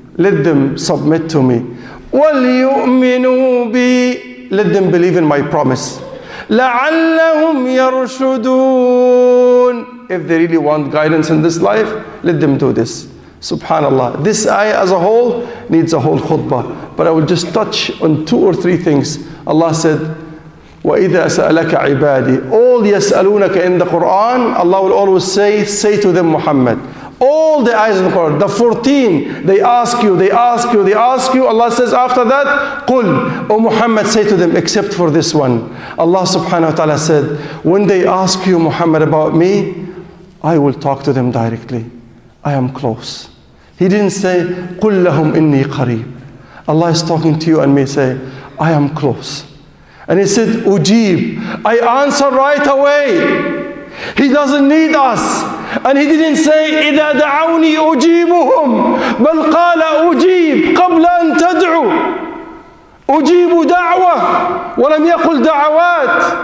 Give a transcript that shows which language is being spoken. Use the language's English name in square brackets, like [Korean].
[English] Let them submit to me. [Arabic] وَلْيُؤْمِنُوا بِي. [English] Let them believe in my promise. [Arabic] لَعَلَّهُمْ يَرْشُدُونَ. [English] If they really want guidance in this life, let them do this. Subhanallah. This ayah as a whole needs a whole khutbah. But I will just touch on two or three things. Allah said, [Arabic] وَإِذَا سَأَلَكَ عِبَادِي. [English] All يَسْأَلُونَكَ in the Quran, Allah will always say to them, Muhammad. All the eyes in the Quran, the 14, they ask you. Allah says after that, قُلْ. O Muhammad, say to them, except for this one. Allah subhanahu wa ta'ala said, when they ask you, Muhammad, about me, I will talk to them directly. I am close. He didn't say, [Arabic] قُلْ لَهُمْ إِنِّي قَرِيبٌ. [English] Allah is talking to you and me, say, I am close. And he said, أُجِيب. I answer right away. He doesn't need us. And he didn't say, [Arabic] إِذَا دَعَوْنِي أُجِيبُهُمْ. بَلْ قَالَ أُجِيب قَبْلَ أَن تَدْعُوا. أُجِيبُ دَعْوَةً وَلَمْ يَقُلْ دَعَوَاتٍ.